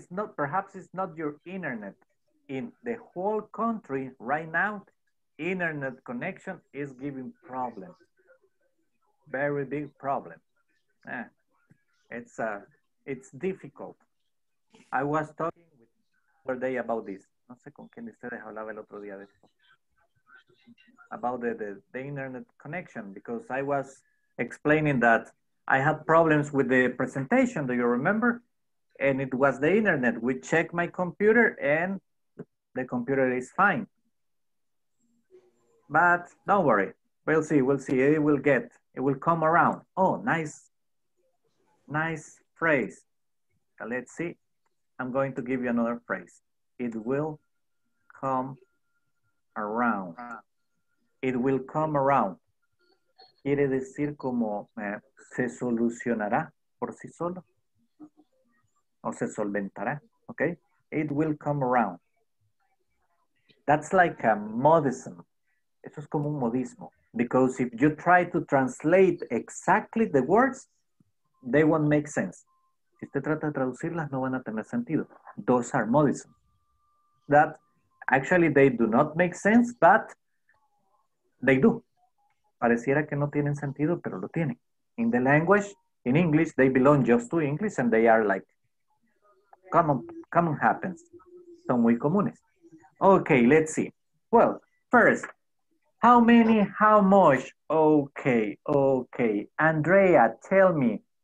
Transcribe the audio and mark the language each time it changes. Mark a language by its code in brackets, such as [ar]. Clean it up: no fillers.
[en] It's not, perhaps it's not your internet. In the whole country right now, internet connection is giving problems. Very big problem. Yeah. It's difficult. I was talking with the other day about this. [es] No sé con quién ustedes hablaba el otro día de esto. [en] About the internet connection, because I was explaining that I had problems with the presentation, do you remember? And it was the internet. We checked my computer and the computer is fine. But don't worry. We'll see, we'll see. It will come around. Oh, nice. Nice phrase. Let's see. I'm going to give you another phrase. It will come around. It will come around. [es] Quiere decir como se solucionará por sí solo. O se solventará. [en] Okay. It will come around. That's like a modism. [es] Eso es como un modismo. [en] Because if you try to translate exactly the words, they won't make sense. [es] Si usted trata de traducirlas, no van a tener sentido. [en] Those are modisms. That actually they do not make sense, but they do. [es] Pareciera que no tienen sentido, pero lo tienen. [en] In the language, in English, they belong just to English and they are like common happens. [es] Son muy comunes. [en] Okay, let's see. Well, first, how many, how much? Okay, okay. Andrea, tell me.